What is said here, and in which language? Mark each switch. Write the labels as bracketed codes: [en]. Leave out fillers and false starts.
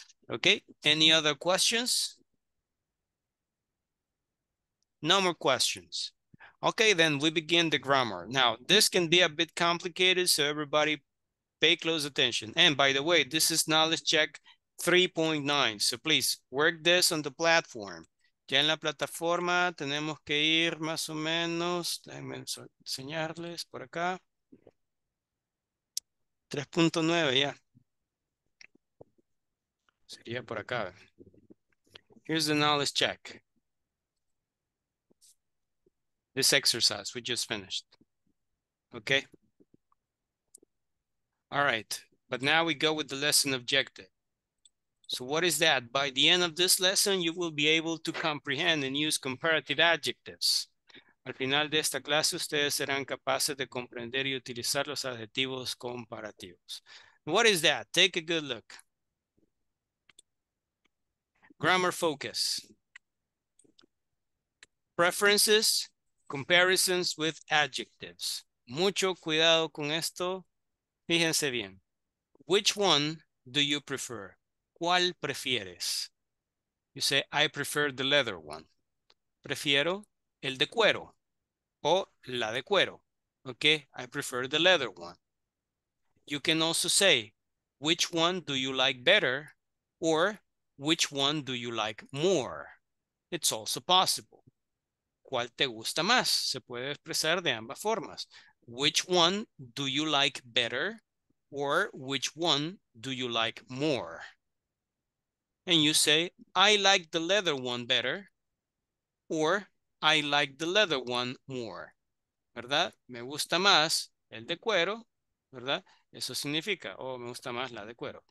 [en] Okay, any other questions? No more questions. Okay, then we begin the grammar. Now, this can be a bit complicated, so everybody pay close attention. And by the way, this is knowledge check 3.9. So please work this on the platform. [es] Ya en la plataforma tenemos que ir más o menos. Déjenme enseñarles por acá. 3.9, ya. Sería por acá. [en] Here's the knowledge check. This exercise we just finished. Okay. All right. But now we go with the lesson objective. So what is that? By the end of this lesson, you will be able to comprehend and use comparative adjectives. [es] Al final de esta clase, ustedes serán capaces de comprender y utilizar los adjetivos comparativos. [en] What is that? Take a good look. Grammar focus. Preferences, comparisons with adjectives. [es] Mucho cuidado con esto. Fíjense bien. [en] Which one do you prefer? [es] ¿Cuál prefieres? [en] You say, I prefer the leather one. [es] Prefiero el de cuero o la de cuero. [en] Okay, I prefer the leather one. You can also say, which one do you like better or which one do you like more? It's also possible. [es] ¿Cuál te gusta más? Se puede expresar de ambas formas. [en] Which one do you like better or which one do you like more? And you say, I like the leather one better, or I like the leather one more. [es] ¿Verdad? Me gusta más el de cuero, ¿verdad? Eso significa, o me gusta más la de cuero.